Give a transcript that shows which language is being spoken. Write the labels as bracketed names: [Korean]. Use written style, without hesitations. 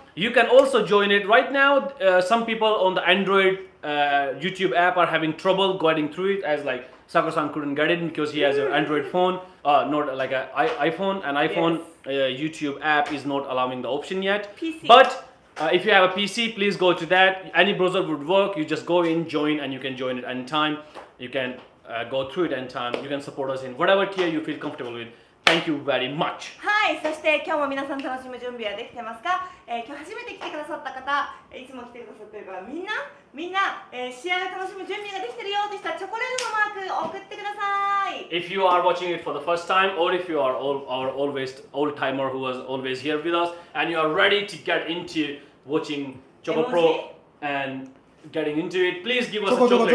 [English] You can also join it right now. Some people on the Android YouTube app are having trouble getting through it, as like Sakura-san couldn't get in because he has an Android phone, not like an iPhone. An iPhone YouTube app is not allowing the option yet. But if you have a PC, please go to that. Any browser would work. You just go in, join, and you can join it anytime. You can go through it anytime. You can support us in whatever tier you feel comfortable with. Thank you very much. [Japanese] はい、そして今日も皆さん楽しむ準備はできてますか？今日初めて来てくださった方、いつも来てくださってる方、みんな、試合を楽しむ準備ができてるよとしたらチョコレートのマークを送ってください。 [English] If you are watching it for the first time, or if you are our always old timer who was always here with us, and you are ready to get into watching Choco Pro and getting into it, please give us a chocolate emoji.